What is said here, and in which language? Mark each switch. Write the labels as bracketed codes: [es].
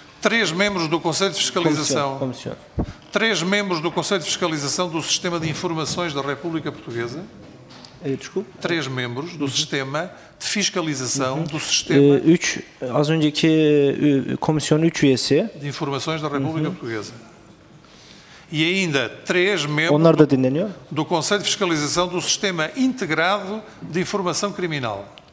[pt] 3 membros do Conselho de Fiscalização. Komisyon. 3 membros do Conselho de Fiscalização do Sistema de Informações da República Portuguesa. Desculpa. 3 membros do Sistema de Fiscalização do Sistema. [tr] 3 az önceki komisyon 3 üyesi. [pt] De Informações da República Portuguesa. e ainda 3 membros [tr] onlar da dinleniyor. [pt] Do Conselho de Fiscalização do Sistema Integrado de Informação Criminal.